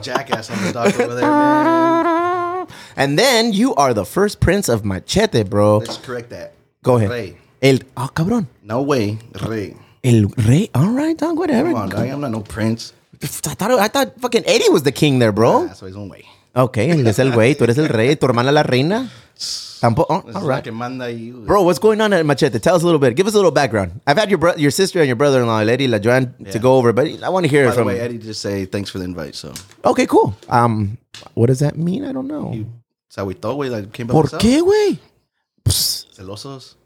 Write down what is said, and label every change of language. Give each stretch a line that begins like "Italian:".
English: Jackass on the dock over there, man. And then you are the first prince of Machete, bro. Let's correct that. Go ahead.
Spanish: Rey. Cabrón.
English: No way. Rey.
Spanish: El rey.
English: All right, dog. Whatever. Come on, dog. I'm not no prince. I thought fucking Eddie was the king there, bro. Yeah, so he's
Spanish: un güey. Okay, eres el güey, tú eres el rey, tu hermana la reina. Tampoco.
English: All right. Bro, what's going on at Machete? Tell us a little bit. Give us a little background. I've had your sister and your brother-in-law, Eddie, La Joanne, to go over, but I want to hear by it from you. By the way, Eddie just say thanks for the invite, so. Okay, cool. What does that mean? I don't know.
Spanish: Se agüitó, güey,
English: that came
Spanish: by. ¿Por qué, güey? Celosos.